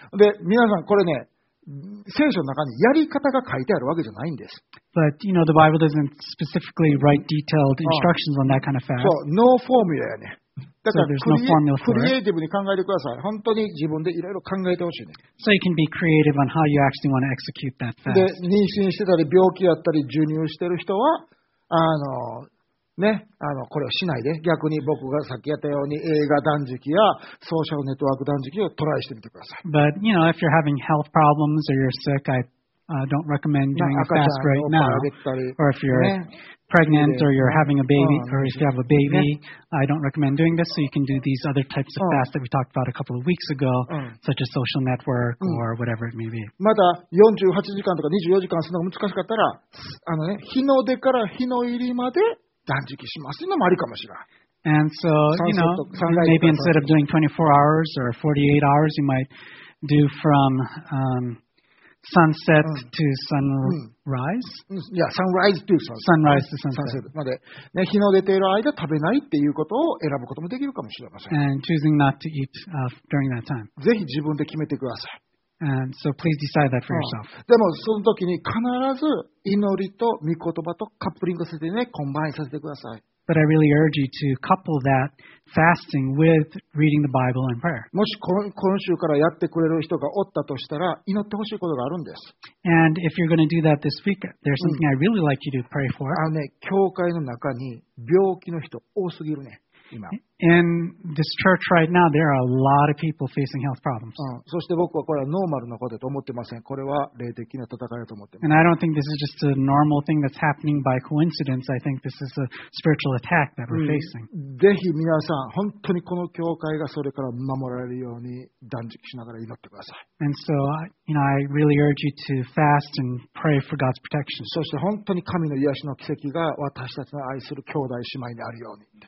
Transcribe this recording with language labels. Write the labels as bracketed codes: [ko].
[ja] で、皆さんこれね、聖書の中にやり方が書いてあるわけじゃないんです。 [en] But, you know, the Bible doesn't specifically write detailed instructions on that kind of fast. [ja] そう、 [en] no formula [ja] やね。だから、 [en] so there's no formula for [ja] it. クリエイティブに考えてください。本当に自分でいろいろ考えてほしいね。 [en] So you can be creative on how you actually want to execute that fast. [ja] で、妊娠してたり病気やったり授乳してる人は、ね、これをしないで、逆に僕がさっきやったように映画断食やソーシャルネットワーク断食をトライしてみてください。 [en] But, you know, if you're having health problems or you're sick, I don't recommend doing a fast right now. Or if you're pregnant or you're having a baby, or if you have a baby, I don't recommend doing this. So you can do these other types of fast that we talked about a couple of weeks ago, such as social network or whatever it may be. [ja] また48時間とか24時間するのが難しかったら、日の出から日の入りまで断食しますのもありかもしれない。 [en] And so, you know, maybe instead of doing 24 hours or 48 hours, you might do from sunset to sunrise. Yeah, sunrise to sunset. Sunrise to sunset. [ja] Sunset まで、ね、日の出ている間食べないっていうことを選ぶこともできるかもしれません。 [en] And choosing not to eat during that time. [ja] ぜひ自分で決めてください。 [en] And so please decide that for yourself. [ja] でもその時に必ず祈りと御言葉とカップリングさせてね、コンバインさせてください。 [en] But I really urge you to couple that fasting with reading the Bible and prayer. [ja] もし今週からやってくれる人がおったとしたら、祈ってほしいことがあるんです。 [en] And if you're going to do that this week, there's something I really like you to pray for. [ja] あのね、教会の中に病気の人多すぎるね。 [en] In this church right now, there are a lot of people facing health problems. [ja] そして僕はこれはノーマルなことだと思ってません。これは霊的な戦いだと思ってます。 [en] And I don't think this is just a normal thing that's happening by coincidence. I think this is a spiritual attack that we're facing. [ja] ぜひ皆さん、本当にこの教会がそれから守られるように断食しながら祈ってください。 [en] And so, you know, I really urge you to fast and pray for God's protection. [ja] そして本当に神の癒しの奇跡が私たちの愛する兄弟姉妹にあるように。